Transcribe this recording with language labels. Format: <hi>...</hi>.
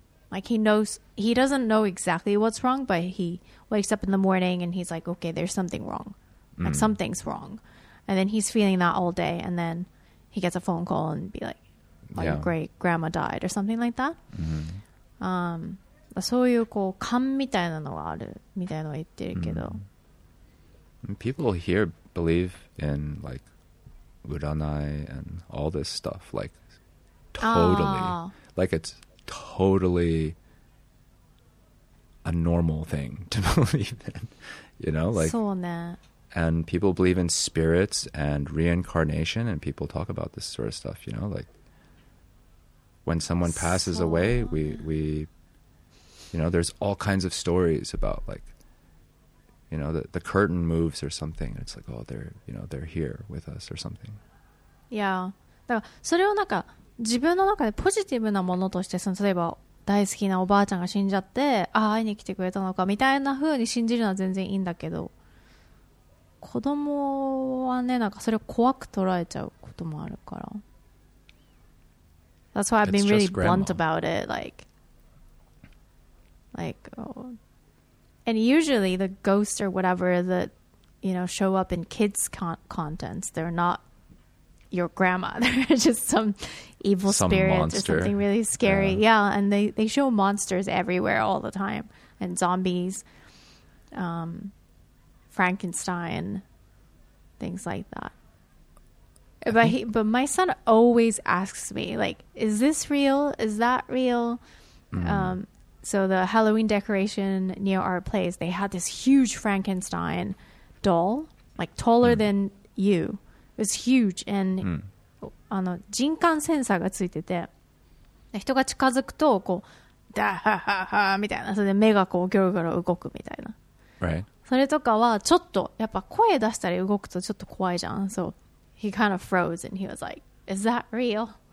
<en>Like he doesn't know exactly what's wrong, but he wakes up in the morning and he's like, okay, there's something wrong. Like something's wrong. And then he's feeling that all day. And then he gets a phone call and be like, oh, your great grandma died or something like that.</en> <ja>そういうこう勘みたいなのがあるみたいなのを言ってるけど。</ja> <en>People here believe in like, 占いand all this stuff. Like, totally. Like, it's totally a normal thing to believe in. You know, like...</en> <ja>そうね。</ja> <en>And people believe in spirits and reincarnation, and people talk about this sort of stuff, you know? Like, when someone passes away, we, you know, there's all kinds of stories about, like, you know, the curtain moves or something, and it's like, oh, they're, you know, they're here with us or something. Yeah.</en> <ja>だからそれをなんか自分の中でポジティブなものとして、その例えば大好きなおばあちゃんが死んじゃって、あ、会いに来てくれたのかみたいな風に信じるのは全然いいんだけど、子供はね、なんかそれを怖く捉えちゃうこともあるから。</ja> <en>That's why I've been really blunt about it. Like, oh, And usually the ghosts or whatever that, you know, show up in kids' contents, they're not your grandma. They're just some evil spirit or something really scary. Yeah, and they show monsters everywhere all the time. And zombies, Frankenstein, things like that. But my son always asks me, like, is this real? Is that real? Mm-hmm. So the Halloween decoration near our place, they had this huge Frankenstein doll, like taller than you. It was huge.</en> <ja>And あの、人感センサーがついてて、人が近づくとこう、ダハハハみたいな、それで目がこうギョロギョロ動くみたいな。</ja> <en>Right.</en> <ja>それとかはちょっと、やっぱ声出したり動くとちょっと怖いじゃん。</ja> <en>So he kind of froze and he was like, is that real?</en>